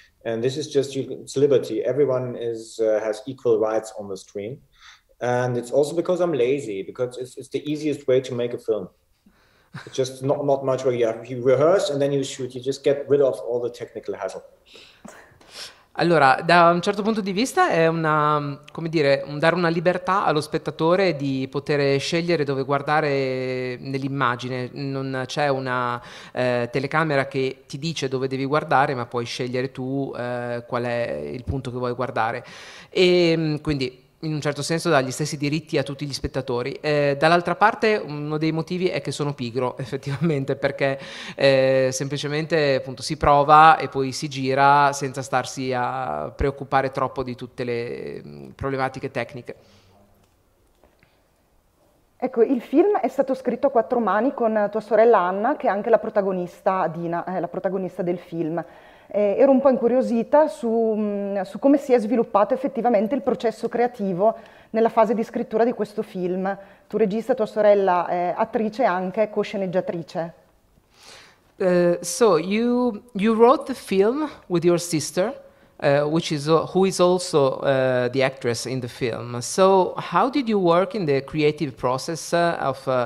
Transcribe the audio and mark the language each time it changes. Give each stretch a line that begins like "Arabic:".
English: And this is just, it's liberty. Everyone has equal rights on the screen. And it's also because I'm lazy, because it's the easiest way to make a film. It's just not much where you rehearse and then you shoot, you just get rid of all the technical hassle.
Italian: Allora, da un certo punto di vista è come dire, dare una libertà allo spettatore di poter scegliere dove guardare nell'immagine. Non c'è una telecamera che ti dice dove devi guardare, ma puoi scegliere tu qual è il punto che vuoi guardare. E quindi, in un certo senso, dà gli stessi diritti a tutti gli spettatori. Dall'altra parte, uno dei motivi è che sono pigro, effettivamente, perché semplicemente appunto, si prova e poi si gira senza starsi a preoccupare troppo di tutte le problematiche tecniche. Ecco, il film è stato scritto a quattro mani con tua sorella Anna, che è anche la protagonista, Dina, la protagonista del film. Ero un po' incuriosita su come si è sviluppato effettivamente il processo creativo nella fase di scrittura di questo film. Tu regista, tua sorella, attrice e anche co-sceneggiatrice.
English: So you wrote the film with your sister, who is also the actress in the film. So how did you work in the creative process of